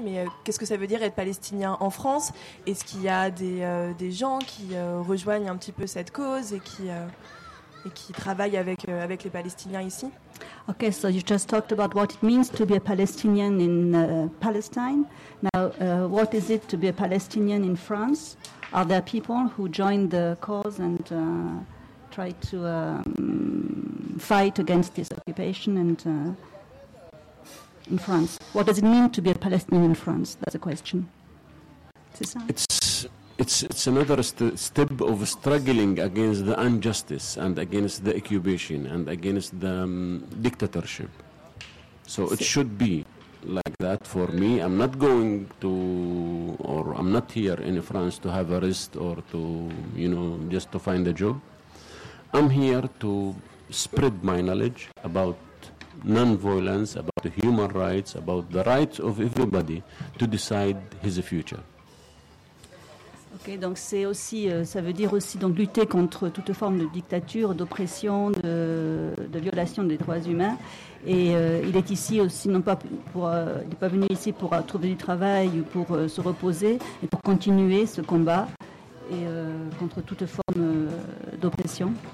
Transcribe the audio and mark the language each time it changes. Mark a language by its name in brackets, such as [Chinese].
[French] Mais qu'est-ce que ça veut dire être palestinien en France ? Est-ce qu'il y a des gens qui rejoignent un petit peu cette cause et qui travaillent avec les Palestiniens ici ? [English] Okay, so you just talked about what it means to be a Palestinian in Palestine. Now, what is it to be a Palestinian in France? Are there people who join the cause and try to fight against this occupation and in France? What does it mean to be a Palestinian in France? That's a question. It's another step of struggling against the injustice and against the occupation and against the dictatorship. So it should be like that for me. I'm not going to, or I'm not here in France to have a rest or to, you know, just to find a job. I'm here to spread my knowledge about non-violence, about human rights, about the rights of everybody to decide his future. [French] Okay, donc c'est aussi, ça veut dire aussi donc lutter contre toute forme de dictature, d'oppression, de violation des droits humains. Et il est ici aussi, non pas pour, il n'est pas venu ici pour trouver du travail ou pour se reposer, mais pour continuer ce combat et contre toute forme d'oppression.